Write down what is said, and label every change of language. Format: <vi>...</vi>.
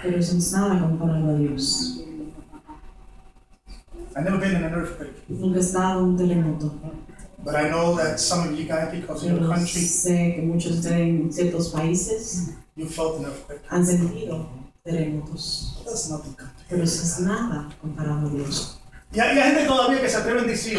<es>Pero eso no es nada comparado a Dios.</es> <en>I've never been in an earthquake.</en> <es>Nunca he estado en un terremoto.</es> <en>But I know that some of you guys, because of your country,</en> <es>sé que muchos de ustedes en ciertos países,</es> <en>you felt an earthquake.</en> <es>Han sentido terremotos.</es> <en>But that's nothing compared.</en> <es>Pero eso es nada comparado a Dios. Y hay gente todavía que se atreven a decir.</es>